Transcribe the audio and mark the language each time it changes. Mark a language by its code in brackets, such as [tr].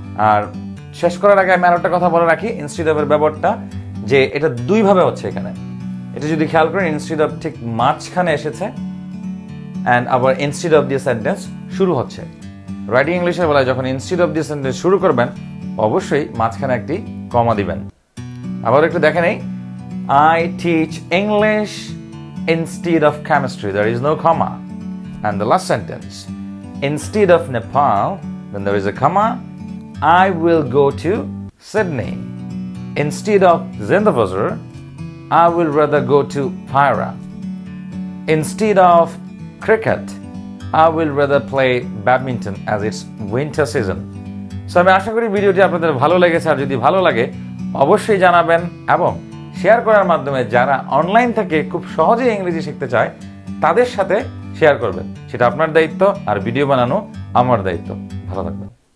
[bn] আর শেষ করার আগে আমি আরও একটা কথা বলে রাখি ইনস্টিড অফের ব্যাপারটা, যে এটা দুইভাবে হচ্ছে এখানে। এটা যদি খেয়াল করেন ইনস্টিড অফ ঠিক মাঝখানে এসেছে অ্যান্ড আবার ইনস্টিড অফ দিয়ে সেন্টেন্স শুরু হচ্ছে। রাইটিং ইংলিশে বলা যখন ইনস্টিড অফ দিয়ে সেন্টেন্স শুরু করবেন অবশ্যই মাঝখানে একটি কমা দিবেন। আবার একটু দেখেন, এই [en] I teach English instead of chemistry, there is no comma, and the last sentence, instead of Nepal, then there is a comma, I will go to Sydney, instead of Zindabazar, I will rather go to Pyra, instead of cricket, I will rather play badminton as it's winter season. [bn] So আমি আশা করি ভিডিওটি আপনাদের ভালো লেগেছে, আর যদি ভালো লাগে অবশ্যই জানাবেন এবং শেয়ার করার মাধ্যমে যারা অনলাইন থেকে খুব সহজে ইংরেজি শিখতে চায় তাদের সাথে শেয়ার করবেন, সেটা আপনার দায়িত্ব আর ভিডিও বানানো আমার দায়িত্ব। ভালো থাকবেন।